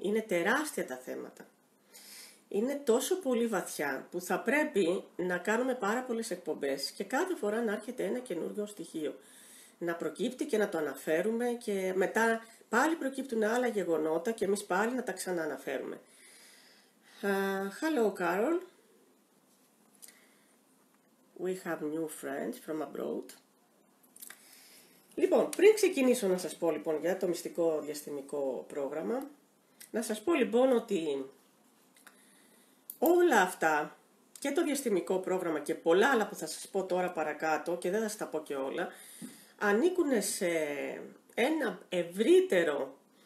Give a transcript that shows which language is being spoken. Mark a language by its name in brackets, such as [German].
[Greek] Είναι τεράστια τα θέματα. Είναι τόσο πολύ βαθιά που θα πρέπει να κάνουμε πάρα πολλές εκπομπές και κάθε φορά να έρχεται ένα καινούργιο στοιχείο. Να προκύπτει και να το αναφέρουμε και μετά πάλι προκύπτουν άλλα γεγονότα και εμείς πάλι να τα ξανααναφέρουμε. [English] Hello, Carol. We have new friends from abroad. [Greek] Λοιπόν, πριν ξεκινήσω να σας πω λοιπόν για το μυστικό διαστημικό πρόγραμμα, να σας πω λοιπόν ότι όλα αυτά και το διαστημικό πρόγραμμα και πολλά άλλα που θα σας πω τώρα παρακάτω και δεν θα σας τα πω και όλα, ανήκουν σε ένα ευρύτερο